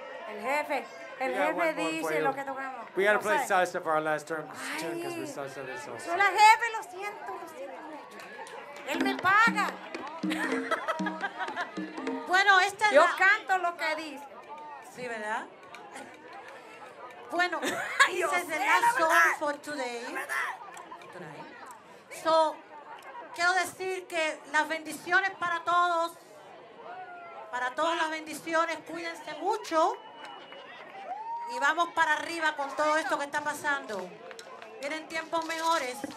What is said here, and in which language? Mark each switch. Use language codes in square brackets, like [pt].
[es] El jefe dice lo que tocamos. [en] We gotta play salsa for our last term tune because we're salsa. [es] Soy la jefe, lo siento mucho. Él me paga. Bueno, esta yo es la... canto lo que dice. Sí, ¿verdad? [en] Bueno, this is the last song for today. [es] So, quiero decir que las bendiciones para todos. Para todas las bendiciones, cuídense mucho. Y vamos para arriba con todo esto que está pasando. Vienen tiempos mejores.